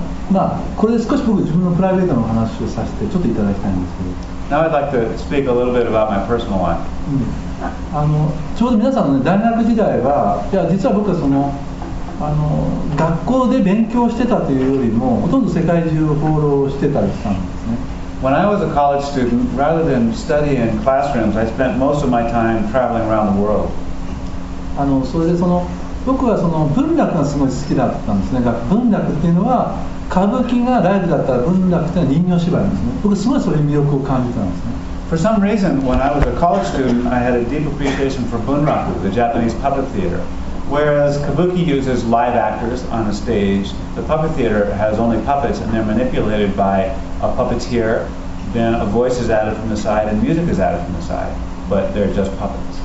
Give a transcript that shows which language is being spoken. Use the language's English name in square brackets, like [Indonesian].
[Japanese] まあ、これで少し僕自分のプライベートの話をさせてちょっといただきたいんですけど。 [English] Now I'd like to speak a little bit about my personal life. [Japanese] ちょうど皆さんの、ね、大学時代は、いや実は僕はその学校で勉強してたというよりも、ほとんど世界中を放浪してたりしたんですね。 [English] When I was a college student, rather than studying in classrooms, I spent most of my time traveling around the world. [Japanese] それでその僕はその文学がすごい好きだったんですね。文学っていうのは歌舞伎がライブだったら文楽というのは人形芝居ですね。僕はすごいそれに魅力を感じたんですね。 [English] For some reason, when I was a college student, I had a deep appreciation for bunraku, the Japanese puppet theater. Whereas kabuki uses live actors on a stage, the puppet theater has only puppets, and they're manipulated by a puppeteer. Then a voice is added from the side, and music is added from the side, but they're just puppets.